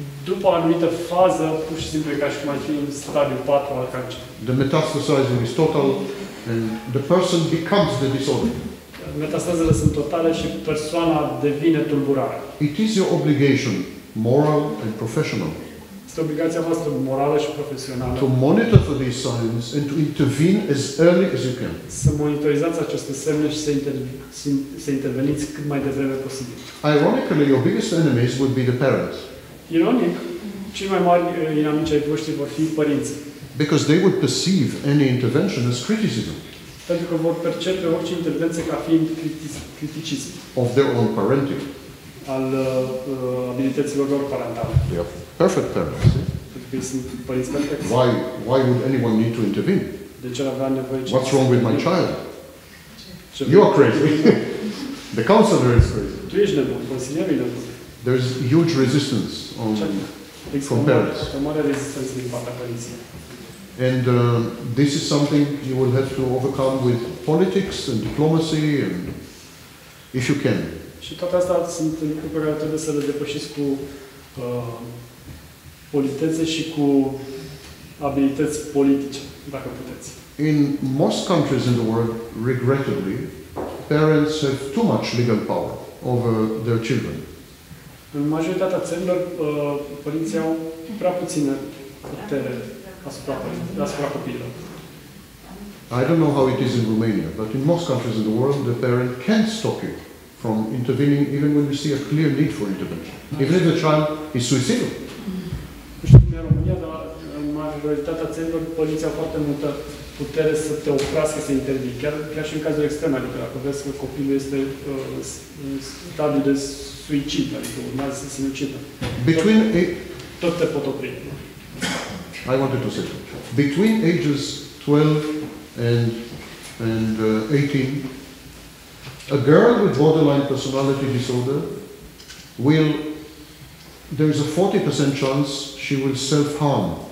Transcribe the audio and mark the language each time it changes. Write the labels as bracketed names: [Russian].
[Romanian] După o anumită fază, pur și simplu e ca și cum ar fi în stadiul 4 al cancerului. [English] The metastasizing is total and the person becomes the disorder. [Romanian] Metastazele sunt totale și persoana devine tulburare. [English] It is your obligation, moral and professional. [Romanian] Este obligația voastră morală și profesională. [English] To monitor for these signs and to intervene as early as you can. [Romanian] Să monitorizați aceste semne și să interveniți cât mai devreme posibil. [English] Ironically, your biggest enemies would be the parents. [Romanian] Ironic, cei mai mari inamici ai voștri vor fi părinții. [English] Because they would perceive any intervention as criticism. [Romanian] Pentru că vor percepe orice intervenție ca fiind criticism. [English] Of their own parenting. [Romanian] Al abilităților lor parentale. [English] Yep. Perfect parents. Why would anyone need to intervene? [Romanian] De ce ar avea nevoie cineva? [English] What's wrong with my child? You are crazy. The counselor is crazy. [Romanian] Tu ești nebun, consilierul e nebun. [English] There's huge resistance from parents. [Romanian] O mare rezistență din partea părinților. [English] And this is something you will have to overcome with politics and diplomacy, and if you can. [Romanian] Și toate astea sunt lucruri pe care trebuie să le depășiți cu politețe și cu abilități politice, dacă puteți. [English] In most countries in the world, regrettably, parents have too much legal power over their children. [Romanian] În majoritatea țărilor, părinții au prea puține putere asupra copiilor. [English] I don't know how it is in Romania, but in most countries in the world, the parent can stop you from intervening, even when you see a clear need for intervention. Even if the child is suicidal. [Romanian] Nu știu cum e în România, dar în majoritatea țărilor, poliția foarte multă putere să te oprească, să intervii. Chiar și în cazul extrem, adică dacă vezi că copilul este în stadiu de suicid, adică urmează să se sinucidă. [English] Between [Romanian] tot te pot opri. [English] I wanted to say that. Between ages 12 and 18, a girl with borderline personality disorder will, there's a 40% chance she will self-harm.